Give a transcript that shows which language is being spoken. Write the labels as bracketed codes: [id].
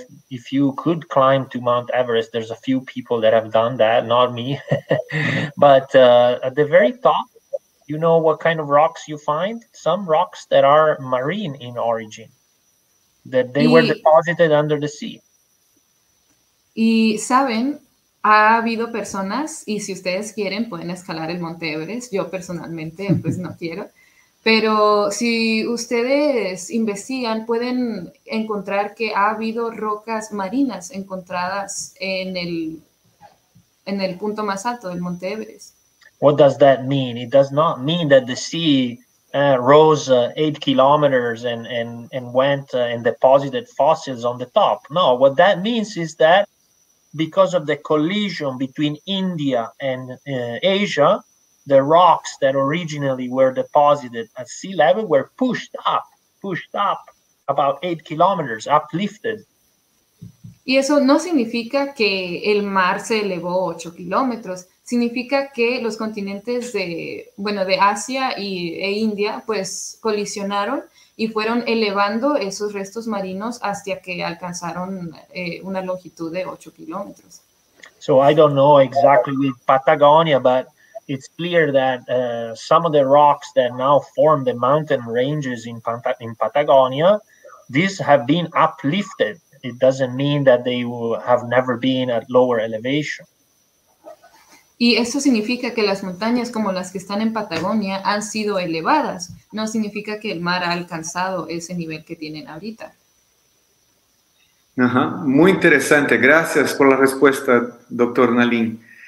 [en] If you could climb to Mount Everest, there's a few people that have done that, not me. But at the very top, you know what kind of rocks you find? Some rocks that are marine in origin, that they were deposited under the sea. [es] Y saben, ha habido personas, y si ustedes quieren, pueden escalar el Monte Everest. Yo personalmente, pues no quiero. Pero si ustedes investigan, pueden encontrar que ha habido rocas marinas encontradas en el punto más alto del Monte Everest. [en] What does that mean? It does not mean that the sea rose 8 kilometers and went and deposited fossils on the top. No, what that means is that because of the collision between India and Asia, the rocks that originally were deposited at sea level were pushed up about 8 kilometers, uplifted. [es] Y eso no significa que el mar se elevó 8 kilómetros. Significa que los continentes de Asia e India, pues, colisionaron y fueron elevando esos restos marinos hasta que alcanzaron una longitud de 8 kilómetros. So I don't know exactly with Patagonia, but it's clear that some of the rocks that now form the mountain ranges in Patagonia, these have been uplifted. It doesn't mean that they have never been at lower elevation. Y esto significa que las montañas como las que están en Patagonia han sido elevadas. No significa que el mar ha alcanzado ese nivel que tienen ahorita. Ajá, muy interesante. Gracias por la respuesta, doctor Nalin.